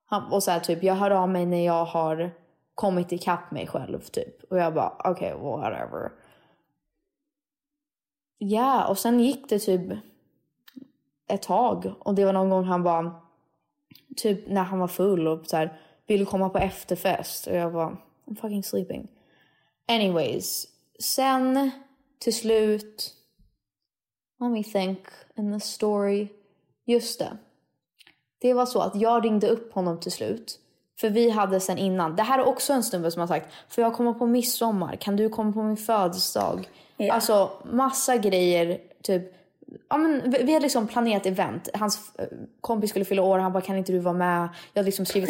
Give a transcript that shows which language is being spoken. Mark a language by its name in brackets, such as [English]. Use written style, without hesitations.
[Swedish] Och så här, typ, jag hör av mig när jag har kommit ikapp mig själv, typ. Och jag bara, okej, okay, whatever. Ja, och sen gick det typ ett tag. Och det var någon gång han bara, typ när han var full och så här, ville komma på efterfest. Och jag var [English] I'm fucking sleeping. Anyways, [Swedish] sen till slut, [English] let me think in the story. [Swedish] Just det. Det var så att jag ringde upp honom till slut. För vi hade sen innan, det här är också en snubbe som har sagt, för jag kommer på midsommar, kan du komma på min födelsedag? Yeah. Alltså massa grejer, typ, ja, men vi hade liksom planerat event. Hans kompis skulle fylla år, han bara, kan inte du vara med? Jag hade liksom skrivit